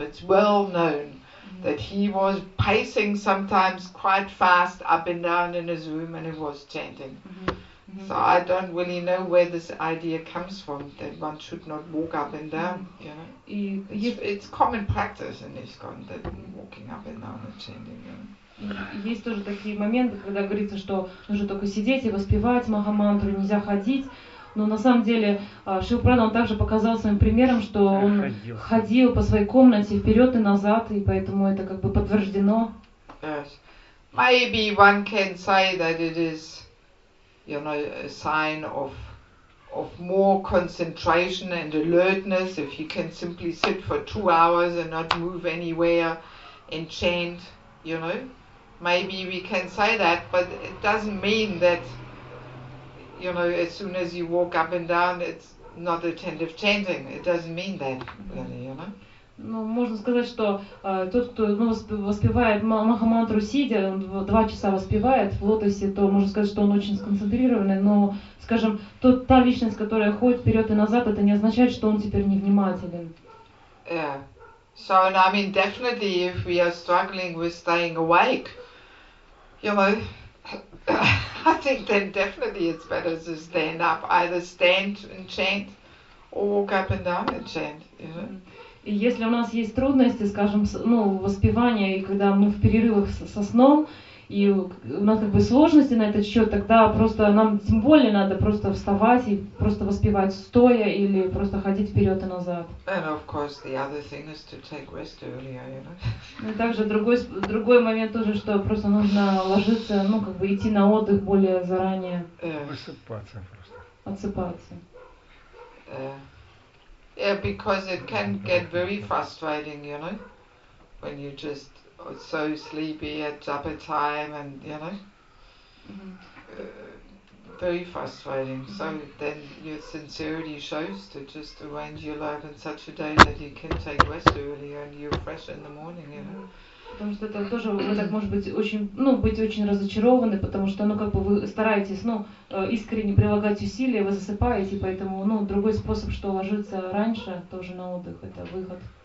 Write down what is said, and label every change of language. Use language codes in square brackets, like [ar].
[en] It's well known that he was pacing sometimes quite fast up and down in his room and he was chanting. Mm-hmm. Mm-hmm. So I don't really know where this idea comes from that one should not walk up and down. Mm-hmm. You know, it's common practice in ISKCON that walking up and down and chanting. You know? [ru] Есть тоже такие моменты, когда говорится, что нужно только сидеть и воспевать Махамантру, нельзя ходить. Но на самом деле Шрила Прабхупада также показал своим примером, что он ходил по своей комнате вперед и назад, и поэтому это как бы подтверждено. [en] Yes. Maybe one can say that it is, you know, a sign of more concentration and alertness if you can simply sit for 2 hours and not move anywhere and chant, you know. Maybe we can say that, but it doesn't mean that. You know, as soon as you walk up and down, it's not attentive chanting. It doesn't mean that, really, you know. [ru] Ну, можно сказать, что тот, кто воспевает Махамантру сидя, он 2 часа воспевает в лотосе, то можно сказать, что он очень сконцентрированный. Но, скажем, та личность, которая ходит вперед и назад, это не означает, что он теперь невнимателен. [en] Yeah. So, and I mean, definitely, if we are struggling with staying awake, you know. I think then definitely it's better to stand up, either stand and chant, or walk up and down and chant. [ru] И если у нас есть трудности, скажем, ну воспевание и когда мы в перерывах со сном и у нас как бы сложности на этот счет, тогда просто нам тем более надо просто вставать и просто воспевать стоя или просто ходить вперед и назад. [en] And of course the other thing is to take rest earlier, you know. [ru] И также другой момент тоже, что просто нужно ложиться, ну как бы идти на отдых более заранее. Высыпаться просто. Отсыпаться. [en] Yeah, because it can get very frustrating, you know, when you just so sleepy at Japa time and, you know, very frustrating. Mm-hmm. So then your sincerity shows to just arrange your life in such a day that you can take rest earlier and you're fresh in the morning, you know. [ru] Потому что это тоже вы так может быть очень, ну, быть очень разочарованы, потому что, ну, как бы вы стараетесь, ну, искренне прилагать усилия, вы засыпаете, поэтому, ну, другой способ, что ложиться раньше, тоже на отдых, это выход.